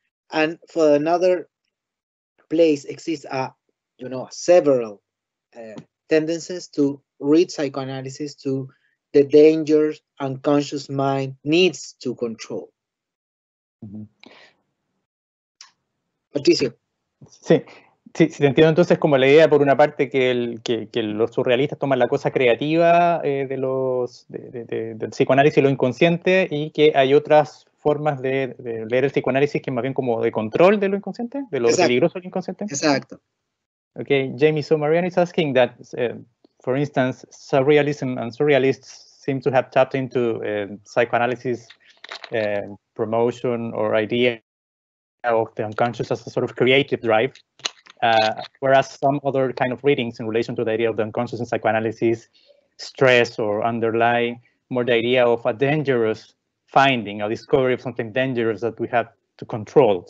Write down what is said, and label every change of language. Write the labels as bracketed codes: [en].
[en] And for another place exists a, you know, several tendencies to read psychoanalysis to the dangers unconscious mind needs to control. Mm-hmm. [es] Patricio. Sí, te entiendo entonces como la idea, por una parte, que los surrealistas toman la cosa creativa del psicoanálisis y lo inconsciente, y que hay otras formas de leer el psicoanálisis que más bien como de control de lo inconsciente, de lo peligroso del inconsciente. Exacto. [en] Okay, Jamie, so Marianne is asking that, for instance, surrealism and surrealists seem to have tapped into psychoanalysis promotion or idea of the unconscious as a sort of creative drive, whereas some other kind of readings in relation to the idea of the unconscious in psychoanalysis stress or underlie more the idea of a dangerous finding, a discovery of something dangerous that we have to control.